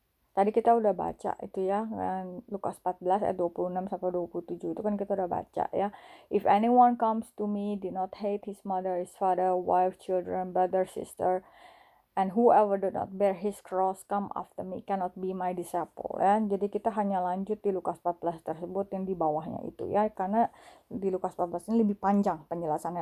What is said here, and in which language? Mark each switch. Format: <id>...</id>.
<id>Tadi kita udah baca itu ya, kan Lukas 14 ayat 26 sampai 27 itu kan kita udah baca ya.</id> <en>If anyone comes to me, do not hate his mother, his father, wife, children, brother, sister, and whoever do not bear his cross come after me cannot be my disciple.</en> <id>Ya, jadi kita hanya lanjut di Lukas 14 tersebut yang di bawahnya itu ya, karena di Lukas 14 ini lebih panjang penjelasannya.</id>